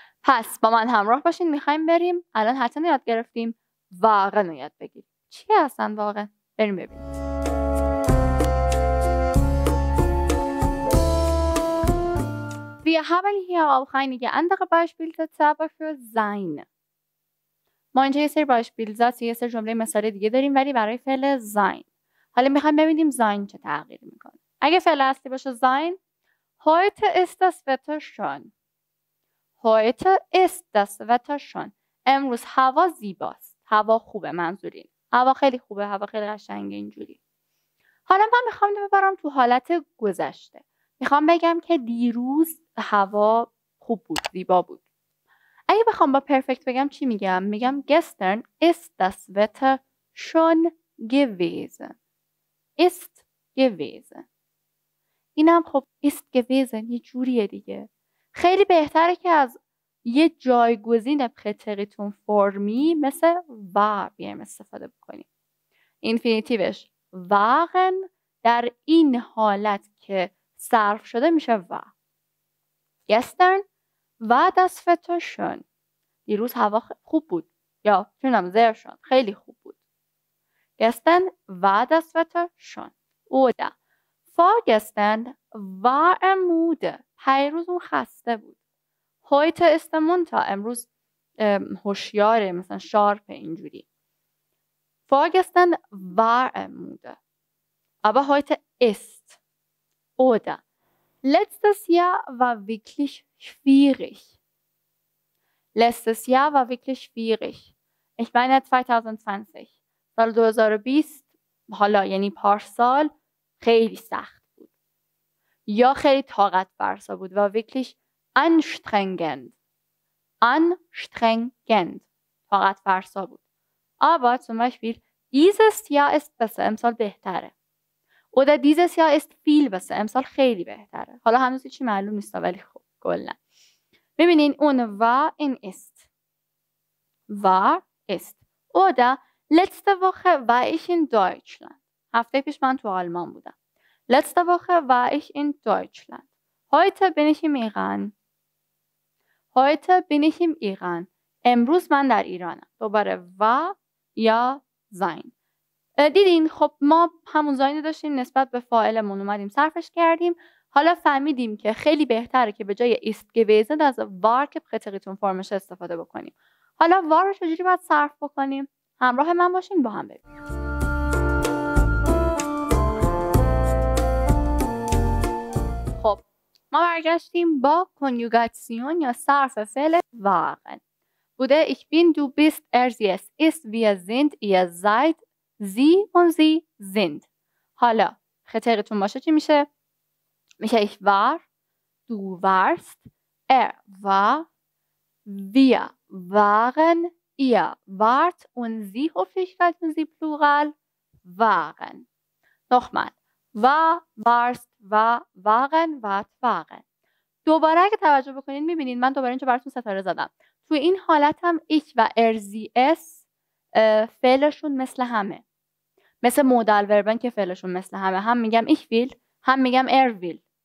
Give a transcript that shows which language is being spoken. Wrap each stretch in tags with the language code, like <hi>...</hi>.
<fa>پس با من همراه باشین میخوایم بریم الان هر چند یاد گرفتیم واقعا یاد بگیریم چی هستن واقعا بریم ببینیم</fa> <de>Wir haben hier auch einige andere Beispielsätze, aber für sein.</de> <fa>ما اینجا یه سری بایشپیلزاتی یه سری جمله مثالی دیگه داریم ولی برای فعل زاین. حالا میخوایم ببینیم زاین چه تغییر میکنه. اگه فعل اصلی باشه زاین.</fa> <de>Heute ist das Wetter schön. Heute ist das Wetter schön.</de> <fa>امروز هوا زیباست. هوا خوبه منظوری. هوا خیلی خوبه. هوا خیلی قشنگه اینجوری. حالا من میخوام ببرم تو حالت گذشته. میخوام بگم که دیروز هوا خوب بود. زیبا بود. اگه بخوام با پرفکت بگم چی میگم؟ میگم</fa> <de>gestern ist das Wetter schon gewesen. Ist gewesen.</de> <fa>اینم خب</fa> <de>ist gewesen</de> <fa>یه جوریه دیگه. خیلی بهتره که از یه جایگزین پرتریتون فرمی مثل war بیایم استفاده بکنیم. اینفینیتیوش waren در این حالت که صرف شده میشه war.</fa> <de>Gestern war das Wetter schön.</de> <fa>دیروز هوا خوب بود. یا چونم زیر شون. خیلی خوب بود.</fa> <de>Gestern war das Wetter schön. Oder vorgestern war müde.</de> <fa>پیروز اون خسته بود.</fa> <de>Heute ist munter.</de> <fa>امروز هوشیاره. مثلا شارپه اینجوری.</fa> <de>Vorgestern war müde. Aber heute ist. Oder letztes Jahr war wirklich schwierig. Letztes Jahr war wirklich schwierig. Ich meine 2020.</de> <fa>سال 2020 حالا یعنی پارسال خیلی سخت بود. یا خیلی طاقت فرسا بود و</fa> <de>wirklich anstrengend.</de> <fa>Anstrengend. طاقت فرسا بود.</fa> <de>Aber zum Beispiel dieses Jahr ist besser.</de> <fa>امسال بهتره.</fa> <de>Oder dieses Jahr ist viel besser.</de> <fa>امسال خیلی بهتره. حالا هنوز چی معلوم نیست ولی خب کلا. ببینین اون war in ist. War ist.</fa> <de>Oder letzte Woche war ich in Deutschland.</de> <fa>هفته پیش من تو آلمان بودم.</fa> <de>Letzte Woche war ich in Deutschland. Heute bin ich im Iran. Heute bin ich im Iran.</de> <fa>امروز من در ایرانم. دوباره war یا sein. دیدین خب ما همون زاین داشتیم نسبت به فاعلمون اومدیم صرفش کردیم. حالا فهمیدیم که خیلی بهتره که به جای ایست گویزن از وار که پخطقیتون فرمش استفاده بکنیم. حالا وار رو چجوری باید صرف بکنیم؟ همراه من باشین با هم ببینیم. خب ما برگشتیم با کنیوگاتسیون یا صرف فعل وارن.</fa> <de>بوده ich bin, du bist, sie ist, ist, wir sind, ihr seid, sie und sie sind.</de> <fa>حالا خطقیتون باشه چی میشه؟ میشه</fa> <de>ich war, du warst, war, wir waren, ihr wart und sie hoffentlich halten sie plural waren. Nochmal. War, warst, war, waren, wart, waren.</de> <fa>دوباره اگه توجه بکنین میبینین من دوباره اینجا براتون ستاره زدم. تو این حالت هم ich و sie فعلشون مثل همه. مثل modal verben که فعلشون مثل همه. هم میگم ich will, هم میگم will.</fa>